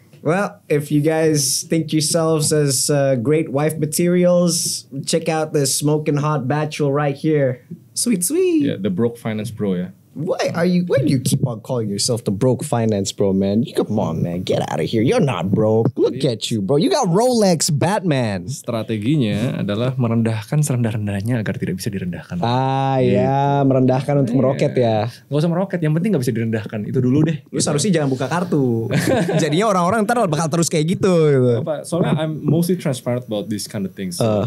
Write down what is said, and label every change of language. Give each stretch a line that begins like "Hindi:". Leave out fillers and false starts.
English: Well, if you guys think yourselves as great wife materials, check out this smoking hot bachelor right here. Sweet, sweet. Yeah, the broke finance bro, yeah. Why do you keep on calling yourself the broke finance bro, man? Come on, man. Get out of here. You're not broke. Look at you, bro. You got Rolex, Batman.
Indonesian: Strateginya adalah merendahkan serendah-rendahnya agar tidak bisa direndahkan. Merendahkan untuk meroket ya. Gak usah meroket, yang penting gak bisa direndahkan. Itu dulu deh. Lu seharusnya jangan buka kartu. Jadinya orang-orang ntar bakal terus kayak gitu. Soalnya
English: I'm mostly transparent about this kind of things.